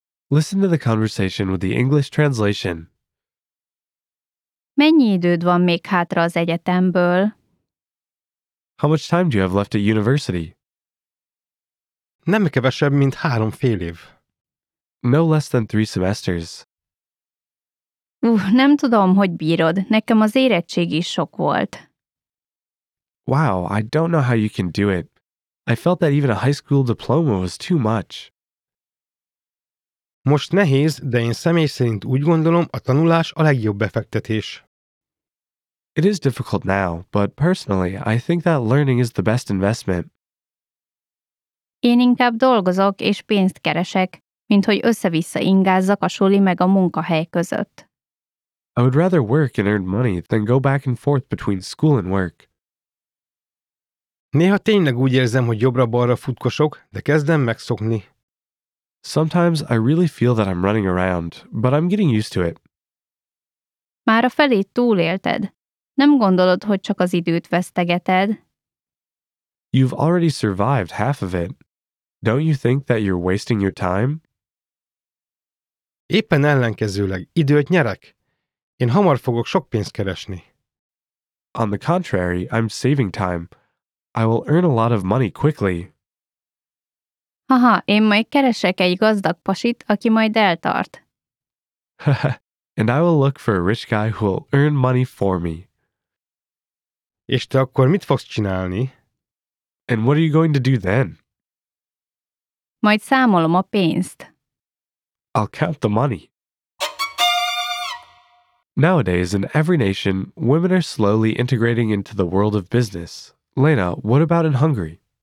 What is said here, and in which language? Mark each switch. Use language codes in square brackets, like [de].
[en] Listen to the conversation with the English translation. [hu] Mennyi időd van még hátra az egyetemből? [en] How much time do you have left at university? [hu] Nem kevesebb, mint 3,5 év. [en] No less than 3 semesters. [hu] Nem tudom, hogy bírod. Nekem az érettség is sok volt. [en] Wow, I don't know how you can do it. I felt that even a high school diploma was too much. [hu] Most nehéz, de én személy szerint úgy gondolom, a tanulás a legjobb befektetés. [en] It is difficult now, but personally, I think that learning is the best investment. [hu] Én inkább dolgozok és pénzt keresek, mint hogy össze-vissza ingázzak a suli meg a munkahely között. [en] I would rather work and earn money than go back and forth between school and work. [hu] Néha tényleg úgy érzem, hogy jobbra-balra futkosok, de kezdem megszokni. [en] Sometimes I really feel that I'm running around, but I'm getting used to it. [hu] Már a felét túlélted. Nem gondolod, hogy csak az időt vesztegeted? [en] You've already survived half of it. Don't you think that you're wasting your time? [hu] Éppen ellenkezőleg, időt nyerek. Én hamar fogok sok pénzt keresni. [en] On the contrary, I'm saving time. I will earn a lot of money quickly. [hu] Haha, én majd keresek egy gazdag pasit, aki majd eltart. [en] And I will look for a rich guy who will earn money for me. [hu] És te akkor mit fogsz csinálni? [en] And what are you going to do then? [hu] Majd számolom a pénzt. [en] I'll count the money. Nowadays, in every nation, women are slowly integrating into the world of business. Lena, what about in Hungary?